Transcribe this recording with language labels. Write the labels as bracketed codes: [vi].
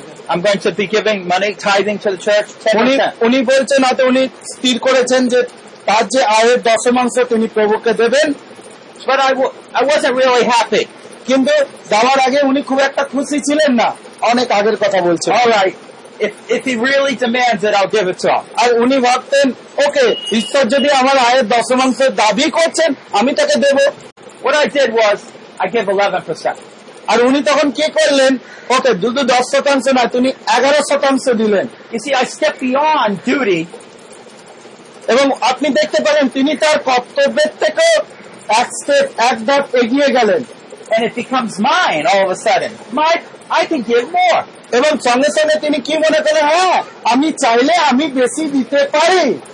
[en] I'm going to be giving money, tithing to the church. [bn] উনি বলছেন না তো উনি স্থির করেছেন যে তার যে আয়ের দশমাংশ তিনি প্রভুকে দেবেন. [en] But I wasn't really happy. [bn] কিন্তু যাওয়ার আগে উনি খুব একটা খুশি ছিলেন না, অনেক আগের কথা বলছেন. [en] All right. If he really demands it, I'll give it to him. [bn] উনি ভাবতেন ওকে ঈশ্বর যদি আমার আয়ের দশমাংশের দাবি করছেন আমি তাকে দেব. [en] What I did was, I gave 11%. [bn] আর উনি তখন কি করলেন, ওকে দুটো 10% না তুমি 11% দিলেন. [en] You see, I stepped beyond duty. [bn] এবং আপনি দেখতে পারেন তিনি তার কর্তব্যের থেকে এক স্টেপ এক ধাপ এগিয়ে গেলেন. [en] And it becomes mine all of a sudden. My, I can give more. [bn] এবং সঙ্গে সঙ্গে তিনি কি মনে করেন, হ্যাঁ আমি চাইলে আমি বেশি দিতে পারি.